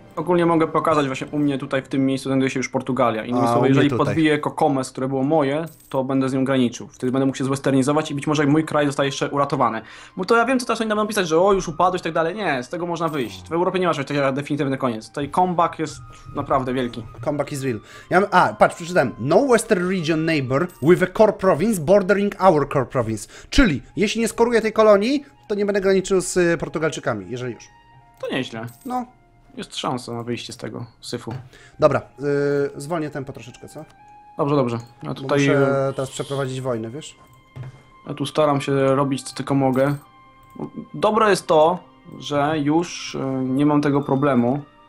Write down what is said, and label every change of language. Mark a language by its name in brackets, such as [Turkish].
[Polish] Ogólnie mogę pokazać właśnie u mnie tutaj w tym miejscu znajduje się już Portugalia. Innymi słowy, jeżeli podbiję Kokomes, które było moje, to będę z nią graniczył. Wtedy będę mógł się zwesternizować i być może mój kraj zostaje jeszcze uratowany. Bo to ja wiem, co teraz oni będą pisać, że o, już upadłeś i tak dalej. Nie, z tego można wyjść. W Europie nie ma czegoś takiego definitywny koniec. Tutaj comeback jest naprawdę wielki. [English] Comeback is real. [Polish] Patrz, przeczytałem. [English] No Western Region neighbor with a core province bordering our core province. [Polish] Czyli jeśli nie skoruję tej kolonii, to nie będę graniczył z Portugalczykami, jeżeli już. To nieźle. No. Jest szansa na wyjście z tego syfu. Dobra, zwolnię tempo troszeczkę, co? Dobrze. Ja tutaj muszę teraz przeprowadzić wojnę, wiesz? Ja tu staram się robić, co tylko mogę. Dobre jest to, że już nie mam tego problemu.